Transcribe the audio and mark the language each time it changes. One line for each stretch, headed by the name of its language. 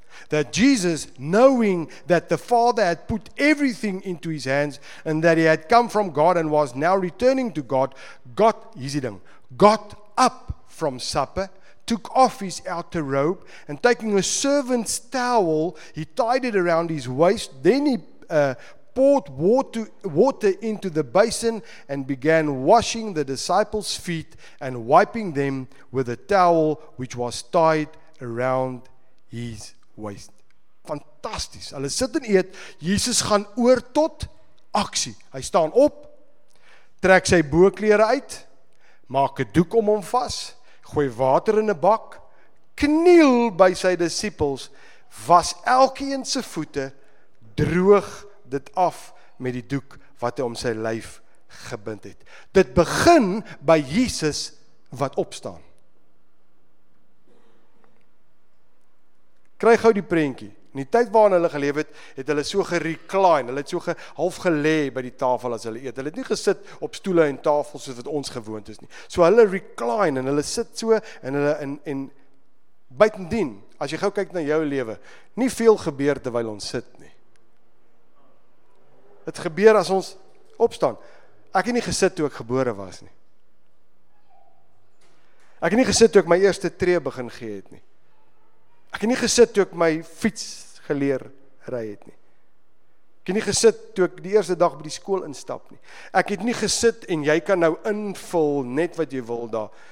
English: That Jesus, knowing that the Father had put everything into his hands and that he had come from God and was now returning to God, got up from supper, took off his outer robe, and taking a servant's towel, he tied it around his waist. Then he poured water into the basin and began washing the disciples' feet and wiping them with a towel which was tied around his waist.
Afrikaans: Fantasties. Hulle sit en eet. Jesus gaan oor tot aksie. Hy staan op, trek sy boklere uit, maak 'n doek om hom vas, gooi water in 'n bak, kniel by sy disippels, was elkeen se voete, droog dit af met die doek wat hy om sy lyf gebind het. Dit begin by Jesus wat opstaan. Kry gou die prentjie. In die tyd waarin hulle geleef het, het hulle so gerecline, hulle het so half gelê by die tafel as hulle eet. Hulle het nie gesit op stoele en tafels soos wat ons gewoond is nie. So hulle recline en hulle sit so en hulle en buitendien, as jy gou kyk na jou lewe, nie veel gebeur terwyl ons sit nie. Het gebeur as ons opstaan. Ek het nie gesit toe ek gebore was nie. Ek het nie gesit toe ek my eerste tree begin gee het nie. Ek het nie gesit toe ek my fiets geleer ry het nie. Ek het nie gesit toe ek die eerste dag by die skool instap nie. Ek het nie gesit en jy kan nou invul net wat jy wil daar.